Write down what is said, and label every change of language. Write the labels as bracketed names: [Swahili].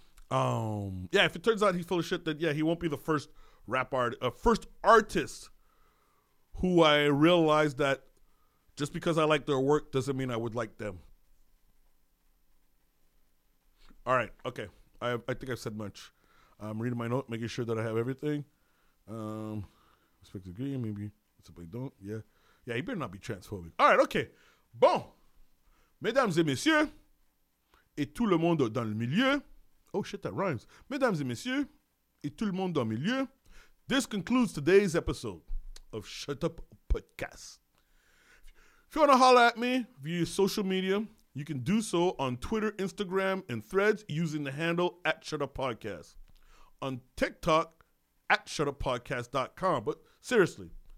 [English] Yeah, if it turns out he's full of shit, then yeah, he won't be the first first artist who I realized that just because I like their work doesn't mean I would like them. All right, okay. I think I've said much. I'm reading my note, making sure that I have everything. Respect the green, maybe. Somebody don't, yeah. Yeah, he better not be transphobic. All right, okay. Bon. [French] Mesdames et messieurs, et tout le monde dans le milieu. [English] Oh, shit, that rhymes. [French] Mesdames et messieurs, et tout le monde dans le milieu. [English] This concludes today's episode of Shut Up Podcast. If you want to holler at me via social media, you can do so on Twitter, Instagram, and Threads using the handle at Shut Up Podcast. On TikTok, at shutuppodcast.com. But seriously.